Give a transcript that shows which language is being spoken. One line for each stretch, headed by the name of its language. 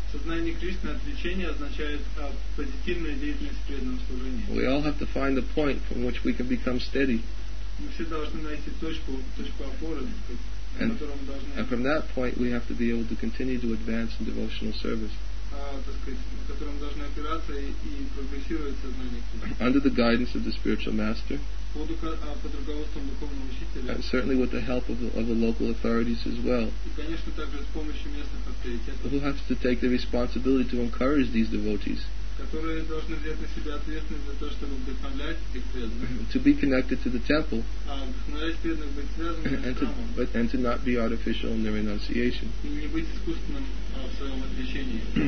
Russian: Сознание Кришны, отвлечение означает позитивная деятельность в преданном служении.
English: We all have to find the point from which we can become steady.
Russian: Мы все должны найти точку опоры, на котором должны.
English: And from that point, we have to be able to continue to advance in devotional service.
Russian: Которым должны опираться и прогрессировать сознание Кришны.
English: Under the guidance of the spiritual master.
Russian: Под руководством духовного учителя.
English: And certainly with the help of the local authorities as well.
Russian: И, конечно, также с помощью местных авторитетов.
English: Who have to take the responsibility to encourage these devotees.
Russian: Которые должны взять на себя ответственность за то, чтобы вдохновлять этих преданных.
English: To be connected to the temple.
Russian: Вдохновлять преданных быть связанными с храмом.
English: And to not be artificial in their renunciation.
Russian: И не быть искусственным в своем отречении.